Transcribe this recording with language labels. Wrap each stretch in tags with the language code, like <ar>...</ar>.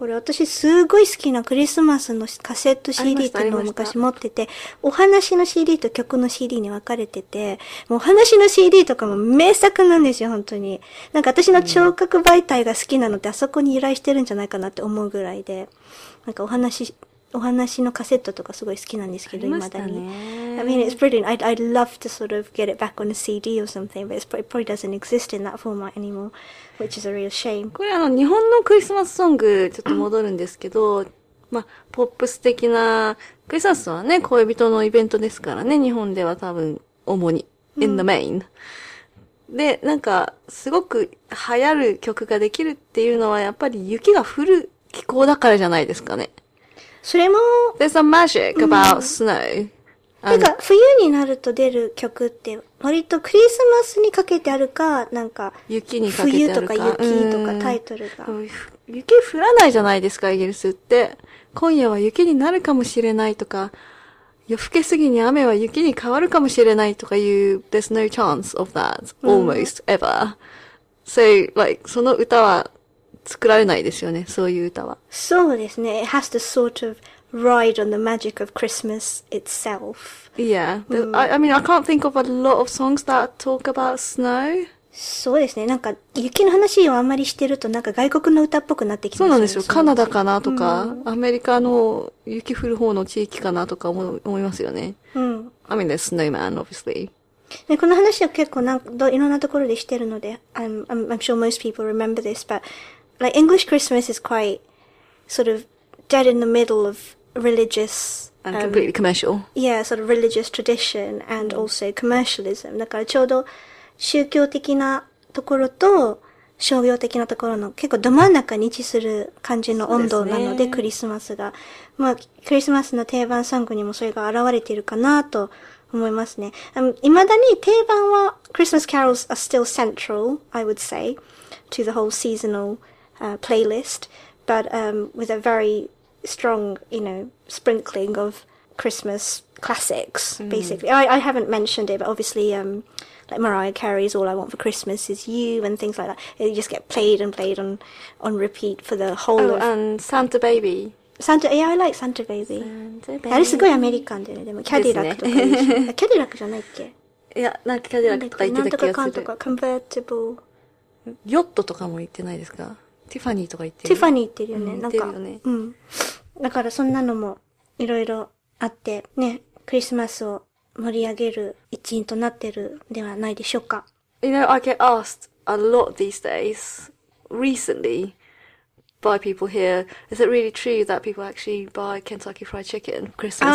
<ja>これ私すごい好きなクリスマスのカセット CD っていうのを昔持ってて、お話の CD と曲の CD に分かれてて、もうお話の CD とかも名作なんですよ、本当に。なんか私の聴覚媒体が好きなのってあそこに由来してるんじゃないかなって思うぐらいで、なんかお話のカセットとかすごい好きなんですけど、未だに。</ja> <en>I mean, it's brilliant. I'd love to sort of get it back on a CD or something, but it probably doesn't exist in that format anymore, which is a real shame.</en> <ja>これ日本のクリスマスソング、ちょっと戻るんですけど、まあ、ポップス的な、クリスマスはね、恋人のイベントですからね、日本では多分、主に、</ja> <en>in the main。</en> <ja>で、なんか、すごく流行る曲ができるっていうのは、やっぱり雪が降る気候だからじゃないですかね。それも、</ja> <en>There's some magic about snow.</en> <ja>なんか、冬になると出る曲って、割とクリスマスにかけてあるか、なんか、雪にかけてあるか。冬とか雪とかタイトルが。雪降らないじゃないですか、イギリスって。今夜は雪になるかもしれないとか、夜更けすぎに雨は雪に変わるかもしれないとかいう、</ja> <en>There's no chance of that, almost ever. So, like,</en> <ja>その歌は、作られないですよね、そういう歌は。そうですね。</ja> <en>It has to sort of ride on the magic of Christmas itself. Yeah.、</en> <ja>うん、</ja> <en>I mean, I can't think of a lot of songs that talk about snow.</en> <ja>そうですね。なんか、雪の話をあんまりしてると、なんか外国の歌っぽくなってきますね。そうなんですよ。カナダかなとか、うん、アメリカの雪降る方の地域かなとか思いますよね。うん。</ja> <en>I mean, there's snowman, obviously.</en> <ja>ね、この話は結構なんかいろんなところでしてるので、</ja> <en>I'm sure most people remember this, but like English Christmas is quite sort of dead in the middle of religious and completely commercial. Yeah, sort of religious tradition and also commercialism.</en> <ja>だからちょうど宗教的なところと商業的なところの結構ど真ん中に位置する感じの温度なので、クリスマスが、まあクリスマスの定番ソングにもそれが現れているかなと。思いますね。未だに定番は、</ja> <en>Christmas carols are still central, I would say, to the whole seasonal, playlist, but, with a very strong, you know, sprinkling of Christmas classics, basically.、Mm. I haven't mentioned it, but obviously, like Mariah Carey's All I Want for Christmas is You and things like that. They just get played and played on repeat for the whole of... and Santa Baby. Yeah, I like Santa Baby. Santa Baby.</en> <ja>あれすごいアメリカンだよね。でもキャディラックとか、ね、キャディラックじゃないっけ？いや、なんかキャディラックとか言ってた気がする。なんとかかんとか、コンバーティブル。ヨットとかも言ってないですか？ティファニーとか言ってる。ティファニー言ってるよね。うん、なんか言ってるよね。うん。だからそんなのもいろいろあって、ね、クリスマスを盛り上げる一員となってるではないでしょうか。</ja> <en>You know, I get asked a lot these days, recently. By people here, is it really true that people actually buy Kentucky Fried Chicken for Christmas</en>